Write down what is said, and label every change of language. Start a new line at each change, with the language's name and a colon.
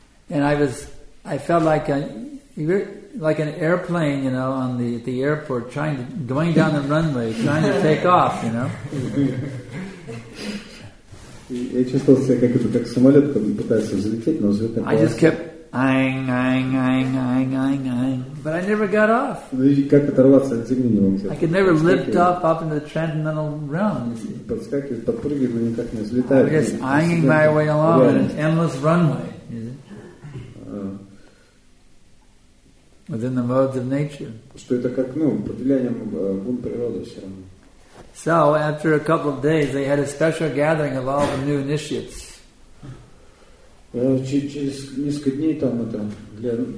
English: And I felt like an airplane, you know, on the airport, going down the runway, trying to take off, you know.
Russian: Я чувствовал себя как самолет, который пытается взлететь, но взлет не
English: получился. I just kept ang, but I never got off.
Russian: Как оторваться от земли не мог.
English: I could never lift up into the transcendental realm.
Russian: Подскакивать, подпрыгивать, но никак не взлетать.
English: I'm just hanging my way along on an endless runway. Within the modes of nature.
Russian: Что это как, под влиянием бун природы все равно.
English: So after a couple of days, they had a special gathering of all the new initiates.
Russian: Через несколько дней там это для